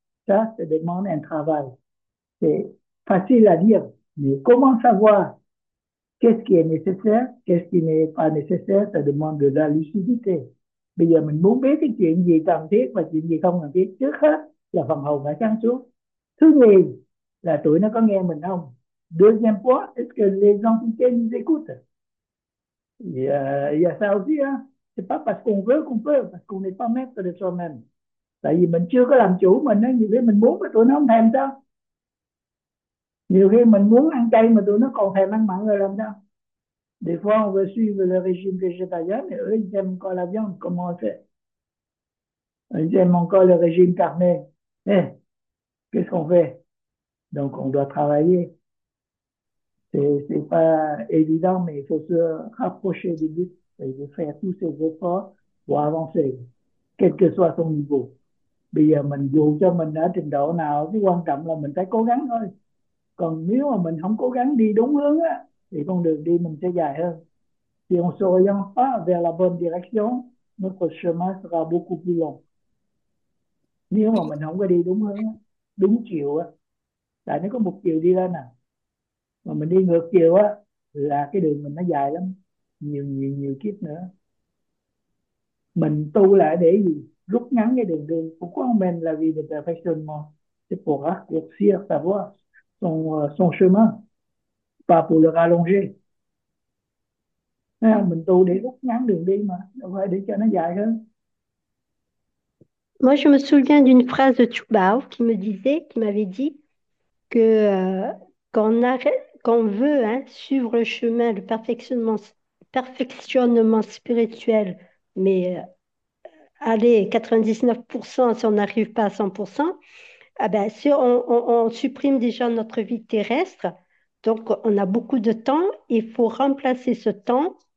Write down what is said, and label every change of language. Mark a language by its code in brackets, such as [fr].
[fr] Ça, c'est des moments de travail. C'est facile à dire. Mais comment savoir qu'est-ce qui est nécessaire, qu'est-ce qui n'est pas nécessaire, ça demande de la lucidité. [vi] Bây giờ mình muốn biết cái chuyện gì cần thiết và chuyện gì không cần thiết. Trước hết là phần hồn phải sáng suốt. Thứ nhì là tụi nó có nghe mình không? [fr] Deuxième point, est-ce que les gens qui viennent nous écoutent? Il y a ça aussi, hein? C'est pas parce qu'on veut qu'on peut, parce qu'on n'est pas maître de soi-même. [vi] Tại vì mình chưa có làm chủ mình, nhiều khi mình muốn mà tụi nó không thèm sao? Nhiều khi mình muốn ăn chay mà tụi nó còn thèm ăn mặn rồi làm sao? [fr] Des fois, on veut suivre le régime végétarien, mais eux, ils aiment encore la viande, comment on fait? Ils aiment encore le régime carné. Eh, qu'est-ce qu'on fait? Donc, on doit travailler. C'est pas évident, mais il faut se rapprocher du but. Il faut faire tous ses efforts pour avancer, quel que soit son niveau. [vi] Bây giờ mình dù cho mình ở trình độ nào, cái quan trọng là mình phải cố gắng thôi. Còn nếu mà mình không cố gắng đi đúng hướng á, thì con đường đi mình sẽ dài hơn. [fr] Si on s'oriente pas vers la bonne direction, notre chemin sera beaucoup plus long. [vi] Nếu mà mình không có đi đúng hướng á, đúng chiều á, tại nó có một chiều đi ra nè, mà mình đi ngược chiều á là cái đường mình nó dài lắm, nhiều nhiều nhiều kiếp nữa. Mình tu lại để gì? Rút ngắn cái đường đi. [fr] Pourquoi on mène la vie de perfectionnement? C'est pour raccourcir sa voie, son chemin, pas pour le rallonger. [vi] Mình tu để rút ngắn đường đi mà, đâu phải để cho nó dài hơn. [fr] Moi, je me souviens d'une phrase de Toubao qui me disait, qui m'avait dit que qu'on veut hein, suivre le chemin, le perfectionnement spirituel, mais aller 99% si on n'arrive pas à 100%, eh ben, si on supprime déjà notre vie terrestre, donc on a beaucoup de temps, il faut remplacer ce temps.